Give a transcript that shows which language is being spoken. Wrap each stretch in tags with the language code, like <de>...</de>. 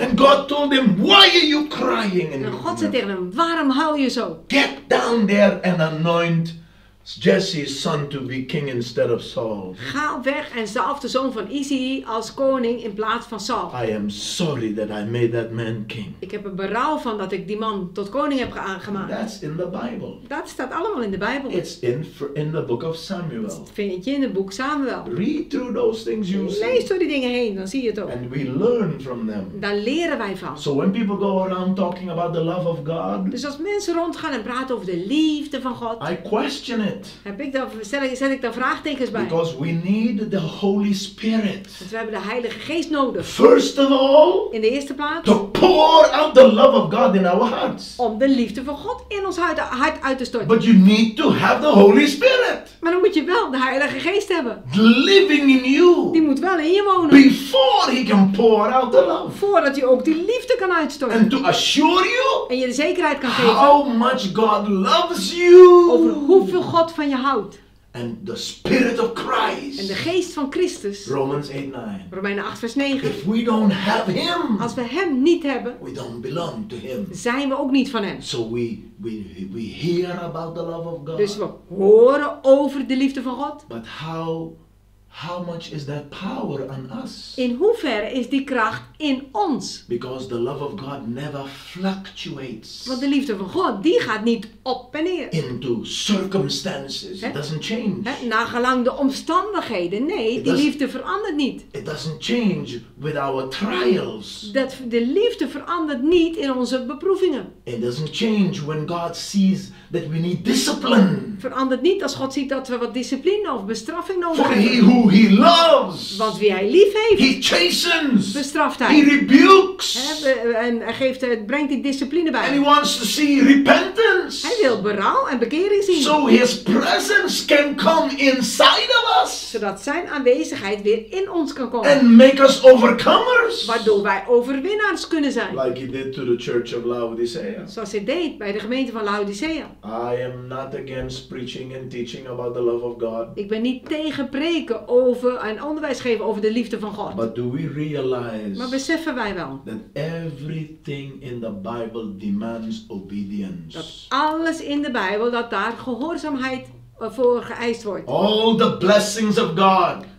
<en>And God told him, why are you crying?</en> <nl>En God zei tegen hem, waarom huil je zo?</nl> <en>Get down there and anoint Jesse's son to be king instead of Saul.</en> <nl>Ga weg en zalf de zoon van Isaï als koning in plaats van Saul.</nl> <en>I am sorry that I made that man king.</en> <nl>Ik heb een berouw van dat ik die man tot koning heb aangemaakt.</nl> <en>That's in the Bible.</en> <nl>Dat staat allemaal in de Bijbel.</nl> <en>It's in the book of Samuel.</en> <nl>Dat vind je in het boek Samuel.</nl> <en>Read through those things you see.</en> <nl>Lees door die dingen heen, dan zie je het ook.</nl> <en>And we learn from them.</en> <nl>Daar leren wij van.</nl> <en>So when people go around talking about the love of God.</en> <nl>Dus als mensen rondgaan en praten over de liefde van God.</nl> <en>I question it.</en> <nl>Zet ik daar vraagtekens bij?</nl> <en>Because we need the Holy Spirit.</en> <nl>Want we hebben de Heilige Geest nodig.</nl> <en>First of all,</en> <nl>in de eerste plaats,</nl> <en>to pour out the love of God in our hearts.</en> <nl>Om de liefde van God in ons hart uit te storten.</nl> <en>But you need to have the Holy Spirit.</en> <nl>Maar dan moet je wel de Heilige Geest hebben.</nl> <en>Living in you.</en> <nl>Die moet wel in je wonen.</nl> <en>Before he can pour out the love.</en> <nl>Voordat hij ook die liefde kan uitstorten.</nl> <en>And to assure you.</en> <nl>En je de zekerheid kan geven.</nl> <en>How much God loves you.</en> <nl>Over hoeveel God van je houdt.</nl> <en>And the Spirit of Christ.</en> <nl>En de Geest van Christus.</nl> <en>Romans 8, 9.</en> <nl>Romeinen 8, vers 9.</nl> <en>If we don't have him,</en> <nl>als we hem niet hebben.</nl> <en>We don't belong to him.</en> <nl>Zijn we ook niet van hem.</nl> <en>So we hear about the love of God.</en> <nl>Dus we horen over de liefde van God.</nl> <en>But how much is that power on us?</en> <nl>In hoeverre is die kracht in ons?</nl> <en>Because the love of God never fluctuates.</en> <nl>Want de liefde van God, die gaat niet op en neer.</nl> <en>Into circumstances. He? It doesn't change. He?</en> <nl>Nagelang de omstandigheden. Nee, liefde verandert niet.</nl> <en>It doesn't change with our trials.</en> <nl>Dat de liefde verandert niet in onze beprovingen.</nl> <en>It doesn't change when God sees that we need discipline.</en> <nl>Verandert niet als God ziet dat we wat discipline of bestraffing nodig</nl> <en>For</en> <nl>hebben.</nl> <en>Who he loves.</en> <nl>Want wie hij lief heeft.</nl> <en>He chastens.</en> <nl>Bestraft hij.</nl> <en>He rebukes.</en> <nl>En brengt die discipline bij.</nl> <en>And he wants to see repentance.</en> <nl>Hij wil berouw en bekering zien.</nl> <en>So his presence can come inside of us.</en> <nl>Zodat zijn aanwezigheid weer in ons kan komen.</nl> <en>And make us overcomers.</en> <nl>Waardoor wij overwinnaars kunnen zijn.</nl> <en>Like he did to the church of Laodicea.</en> <nl>Zoals hij deed bij de gemeente van Laodicea.</nl> <en>I am not against preaching and teaching about the love of God.</en> <nl>Ik ben niet tegen preken. Over en onderwijs geven over de liefde van God.</nl> <en>But do we realize,</en> <nl>maar beseffen wij wel</nl> <en>that everything in the Bible demands obedience.</en> <nl>Dat alles in de Bijbel dat daar gehoorzaamheid voor geëist wordt.</nl> <en>All the blessings of God.</en>